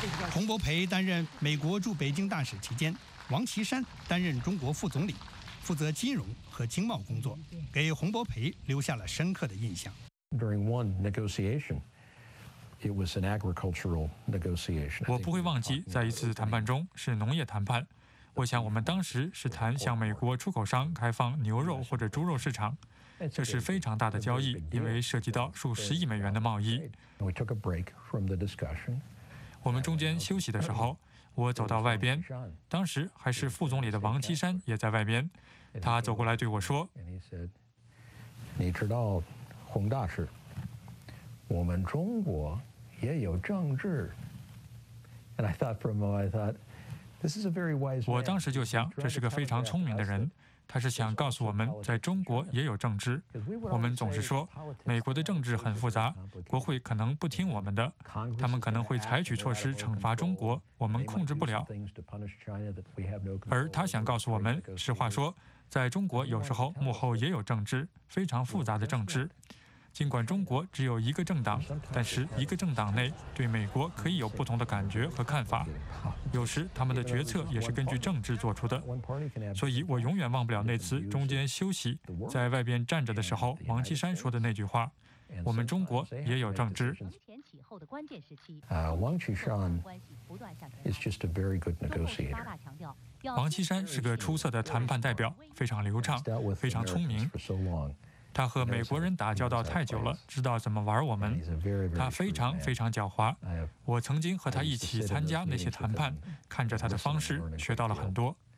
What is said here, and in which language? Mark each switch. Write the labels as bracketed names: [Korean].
[Chinese] 洪博培担任美国驻北京大使期间，王岐山担任中国副总理，负责金融和经贸工作，给洪博培留下了深刻的印象。 [English] During one negotiation, it was an agricultural negotiation. [Chinese] 我不会忘记，在一次谈判中是农业谈判。我想我们当时是谈向美国出口商开放牛肉或者猪肉市场，这是非常大的交易，因为涉及到数十亿美元的贸易。 [English] We took a break from the discussion. [Chinese] 我们中间休息的时候，我走到外边，当时还是副总理的王岐山也在外边，他走过来对我说：“ 你知道。” 洪大使，我们中国也有政治。 [English] And I thought for a moment, I thought, this is a very wise man. [Chinese] 我当时就想，这是个非常聪明的人，他是想告诉我们，在中国也有政治。我们总是说，美国的政治很复杂，国会可能不听我们的，他们可能会采取措施惩罚中国，我们控制不了。而他想告诉我们，实话说。在中国有时候幕后也有政治，非常复杂的政治。尽管中国只有一个政党，但是一个政党内对美国可以有不同的感觉和看法，有时他们的决策也是根据政治做出的。所以我永远忘不了那次中间休息在外边站着的时候，王岐山说的那句话，我们中国也有政治。 [English] 王岐山 is just a very good negotiator。 [Chinese] 王岐山是个出色的谈判代表，非常流畅，非常聪明。他和美国人打交道太久了，知道怎么玩我们。他非常非常狡猾。我曾经和他一起参加那些谈判，看着他的方式，学到了很多。